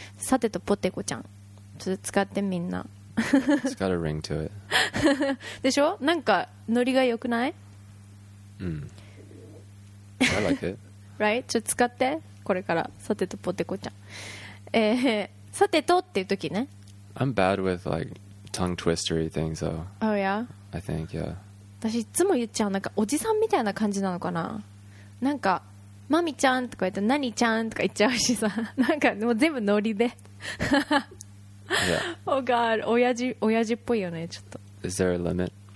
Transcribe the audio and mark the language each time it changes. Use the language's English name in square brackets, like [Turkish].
[Japanese] サテとポテコちゃんちょっと使ってみんな [English] It's got a ring to it [Japanese] でしょ、なんかノリが良くない、 [English] うん、mm. I like it. Right? [Japanese] ちょっと使って、これから、さてとポテコちゃん。さてとっていうときね。 [English] I'm bad with like tongue twistery things though. Oh yeah? I think, yeah. [Japanese] 私いつも言っちゃう、なんかおじさんみたいな感じなのかな。なんか、マミちゃんとか言って、何ちゃんとか言っちゃうしさ。なんかもう全部ノリで。 [English] yeah. Oh god, [Japanese] 親父っぽいよね、ちょっと。 [English] Is there a limit?